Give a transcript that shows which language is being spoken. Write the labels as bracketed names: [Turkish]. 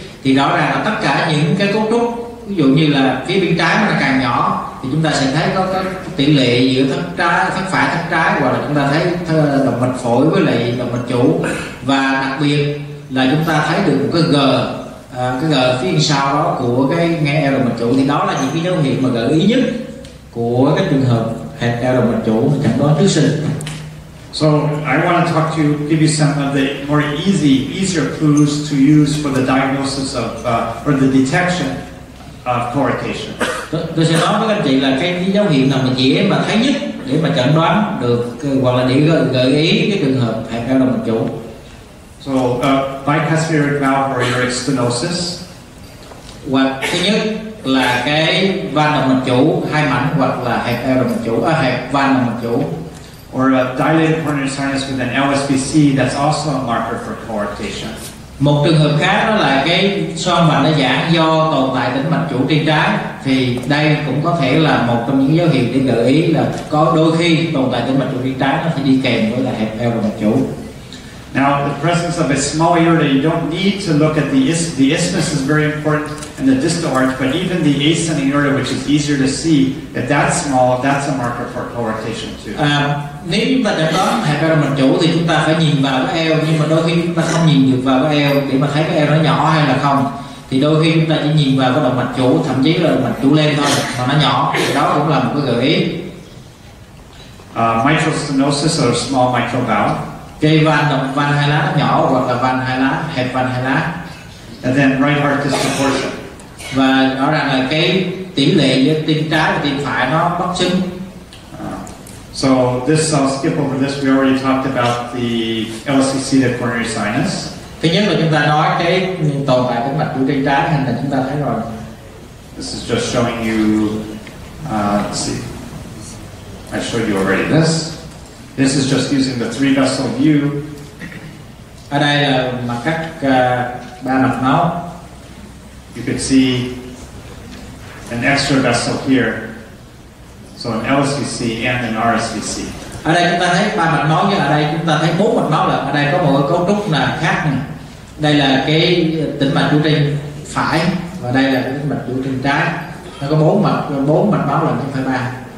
[Vietnamese] Thì rõ ràng là tất cả những cái cấu trúc ví dụ như là phía bên trái nó càng nhỏ thì chúng ta sẽ thấy có cái tỷ lệ giữa thất phải thất trái hoặc là chúng ta thấy động mạch phổi với lại động mạch chủ, và đặc biệt là chúng ta thấy được một cái g phía sau đó của cái ngay eo động mạch chủ, thì đó là những cái dấu hiệu mà gợi ý nhất của cái trường hợp hẹp eo động mạch chủ chẩn đoán trước sinh. [English] So I want to talk to you, give you some of the more easier clues to use for the diagnosis of or the detection of coarctation. [Vietnamese] Tôi sẽ nói với anh chị là cái dấu hiệu nào mà dễ mà thấy nhất để mà chẩn đoán được hoặc là để gợi ý cái trường hợp hẹp eo động mạch chủ. [English] So bypass aortic valve or aortic stenosis. [Vietnamese] Hoặc thứ nhất là cái van động mạch chủ hai mảnh hoặc là hẹp eo động mạch chủ ở hẹp van động mạch chủ. [English] Or a dilated coronary sinus with an LSVC, that's also a marker for coarctation. [Vietnamese] Một trường hợp khác đó là cái xoang mạch nó giãn do tồn tại tĩnh mạch chủ trên trái, thì đây cũng có thể là một trong những dấu hiệu để gợi ý là có đôi khi tồn tại tĩnh mạch chủ trên trái nó phải đi kèm với là hẹp eo động mạch chủ. [English] Now the presence of a small aorta, you don't need to look at the isthmus is very important and the distal arch, but even the ascending aorta, which is easier to see, if that's small, that's a marker for coarctation too. [Vietnamese] Nếu chúng ta chẩn đoán hẹp eo động mạch chủ thì chúng ta phải nhìn vào cái eo, nhưng mà đôi khi chúng ta không nhìn được vào cái eo để mà thấy cái eo nó nhỏ hay là không, thì đôi khi chúng ta chỉ nhìn vào cái động mạch chủ, thậm chí là động mạch chủ lên thôi mà nó nhỏ, thì đó cũng là một cái gợi ý. [English] Mitral stenosis or small mitral valve. [Vietnamese] Cái van hai lá nhỏ hoặc là van hai lá, hẹp van hai lá. [English] And then right heart disproportion. [Vietnamese] Và rõ ràng là cái tỷ lệ giữa tim trái và tim phải nó bất xứng. [English] So this, I'll skip over this. We already talked about the LSVC, the coronary sinus. [Vietnamese] Thứ nhất là chúng ta nói cái tồn tại tĩnh mạch chủ trên trái, hình là chúng ta thấy rồi. [English] This is just showing you. Let's see. I showed you already this. This is just using the three vessel view. [Vietnamese] Ở đây là mặt cắt ba mạch máu. [English] You can see an extra vessel here, so an LSVC and an RSVC. [Vietnamese] Ở đây chúng ta thấy ba mạch máu, nhưng ở đây chúng ta thấy bốn mạch máu, là ở đây có một cái cấu trúc là khác này. Đây là cái tĩnh mạch chủ trên phải và đây là cái tĩnh mạch chủ trên trái. Nó có bốn mạch máu là không phải ba.